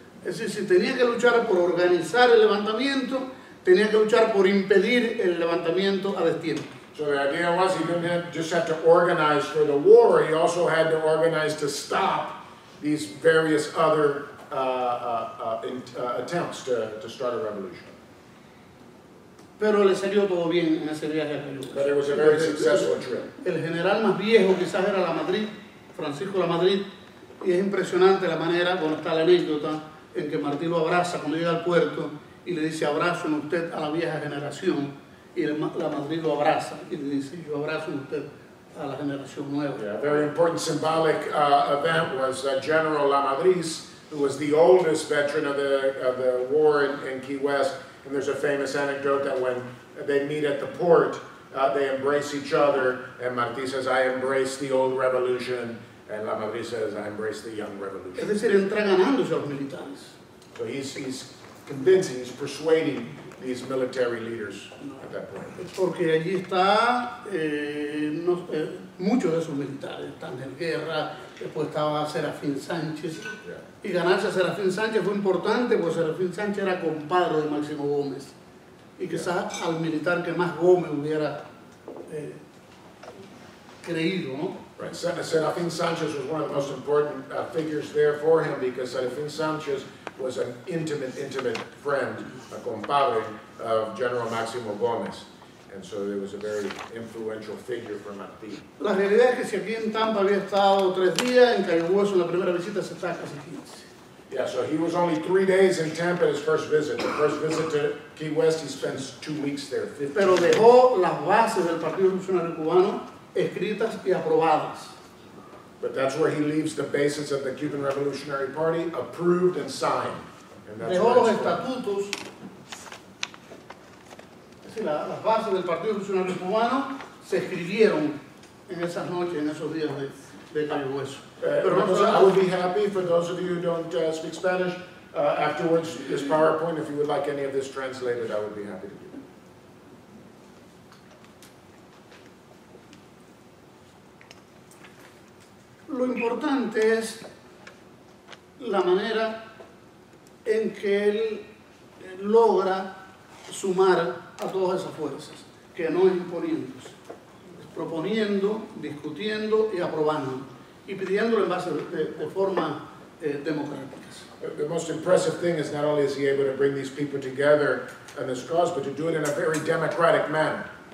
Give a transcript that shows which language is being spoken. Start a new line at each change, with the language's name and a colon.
Spanish: Es decir, si tenía que luchar por organizar el levantamiento, tenía que luchar por impedir el levantamiento a destiempo.
English: So the idea was he didn't just have to organize for the war, he also had to organize to stop these various other attempts to start a revolution.
Spanish: Pero le salió todo bien en ese viaje a Cayo Hueso.
English: But it was a very successful trip.
Spanish: El general más viejo quizás era La Madrid, Francisco La Madrid, y es impresionante la manera, bueno, está la anécdota, en que Martí lo abraza cuando llega al puerto y le dice, abrazo en usted a la vieja generación, y La Madrid lo abraza y le dice, yo abrazo en usted a la generación nueva.
English: Yeah, a very important symbolic event was General La Madrid, who was the oldest veteran of the war in Key West. And there's a famous anecdote that when they meet at the port, they embrace each other, and Martí says, I embrace the old revolution, and La Madrid says, I embrace the young revolution.
Spanish: Es decir, entra ganándose a los militares.
English: So he's convincing, he's persuading these military leaders at that point.
Spanish: Porque allí está, no, muchos de esos militares están en guerra, después estaba Serafín Sánchez,
English: yeah.
Spanish: Y ganarse a Serafín Sánchez fue importante porque Serafín Sánchez era compadre de Máximo Gómez. Y quizás yeah. Al militar que más Gómez hubiera creído, ¿no?
English: Right. Serafín Sánchez was one of the most important figures there for him because Serafín Sánchez was an intimate, intimate friend, a compadre of General Máximo Gómez. And so it was a very influential figure for Martí.
Spanish: La realidad es que si aquí en Tampa había estado tres días, en Cayo Hueso la primera visita se está casi 15.
English: Yeah, so he was only 3 days in Tampa at his first visit. The first visit to Key West, he spends 2 weeks there.
Spanish: 15. Pero dejó las bases del Partido Revolucionario Cubano escritas y aprobadas.
English: But that's where he leaves the basis of the Cuban Revolutionary Party, approved and signed. And
Spanish: dejó los estatutos, las bases del Partido Revolucionario Cubano se escribieron en esas noches, en esos días de Cayo Hueso.
English: I would be happy for those of you who don't speak Spanish afterwards this PowerPoint, if you would like any of this translated, I would be happy to do it.
Spanish: Lo importante es la manera en que él logra sumar a todas esas fuerzas, que no es imponiéndose, proponiendo, discutiendo y aprobando. Y pidiéndolo en base de forma democrática.
English: The most impressive thing is not only is he able to bring these people together in this cause, but to do it in a very democratic manner.